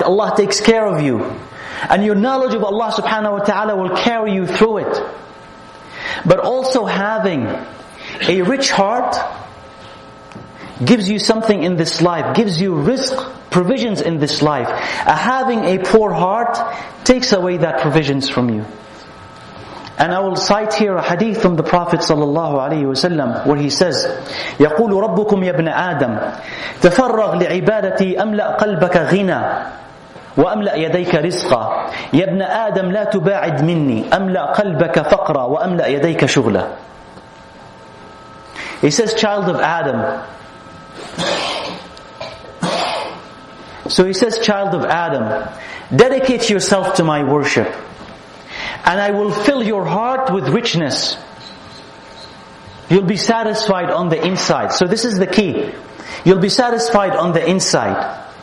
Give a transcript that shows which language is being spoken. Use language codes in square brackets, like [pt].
[en] Allah takes care of you. And your knowledge of Allah subhanahu wa ta'ala will carry you through it. But also having a rich heart gives you something in this life, gives you rizq, provisions in this life. Having a poor heart takes away that provisions from you. And I will cite here a hadith from the Prophet sallallahu alaihi wasallam where he says, [ar] يَقُولُ رَبُّكُمْ يَبْنَ آدَمْ تَفَرَّغْ لِعِبَادَتِي أَمْلَأْ قَلْبَكَ غِنَى وَأَمْلَأْ يَدَيْكَ رِزْقًا يَبْنَ آدَمْ لَا تُبَاعِدْ مِنِّي أَمْلَأْ قَلْبَكَ فَقْرًا وَأَمْلَأْ يَدَيْكَ شُغْلًا. [en] He says, child of Adam. So he says, child of Adam, dedicate yourself to my worship, and I will fill your heart with richness. You'll be satisfied on the inside. So this is the key. You'll be satisfied on the inside.